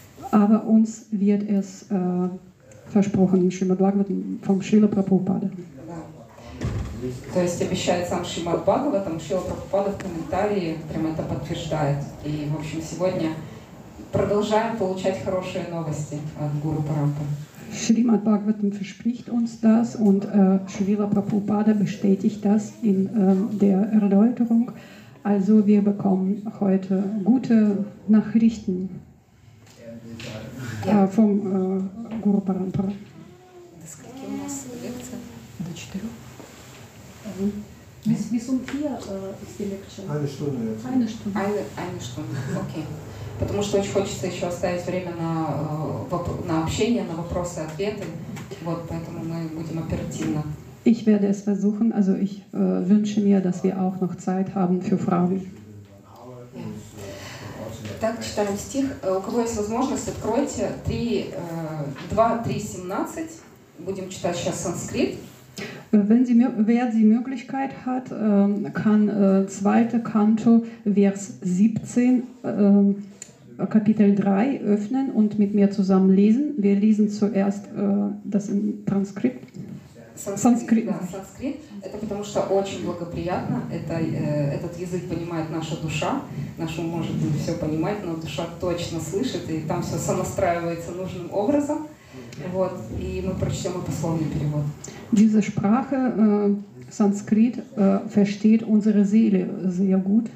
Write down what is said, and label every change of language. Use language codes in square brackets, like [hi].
[de] Aber uns wird es versprochen, im Shrimad Bhagavatam, vom Shrila Prabhupada. [ru] То есть обещает сам Шримад Бхагаватам, Шрила Прабхупада в комментарии прям это подтверждает. И, в общем, сегодня продолжаем получать хорошие новости от Гуру Парампары. [de] Шримад Бхагаватам verspricht uns das und Шрила Прабхупада bestätigt das in der Erläuterung. Also wir bekommen heute gute Nachrichten vom Guru Parampara. Das klingt immer so lecker. Das steht doch. Bis um vier ist die Lektion. Eine Stunde jetzt. Eine Stunde. Eine Stunde, okay. [ru] Потому что очень хочется еще оставить время на общение, на вопросы-ответы. Вот, поэтому мы будем оперативно. [de] Ich werde es versuchen. Also ich wünsche mir, dass wir auch noch Zeit haben für Fragen. [ru] Так, читаем стих. У кого есть возможность, откройте 2.3.17. Будем читать сейчас санскрит. [de] Wer die Möglichkeit hat, kann 2. Kanto, Vers 17, Kapitel 3 öffnen und mit mir zusammen lesen. Wir lesen zuerst das im Transkript. [ru] Санскрит. Да, санскрит. Это потому что очень благоприятно. Этот язык понимает наша душа. Наш ум может не все понимать, но душа точно слышит, и там все сонастраивается нужным образом. Вот. И мы прочтем и пословный перевод. [de] Diese Sprache, Sanskrit, versteht unsere Seele sehr gut.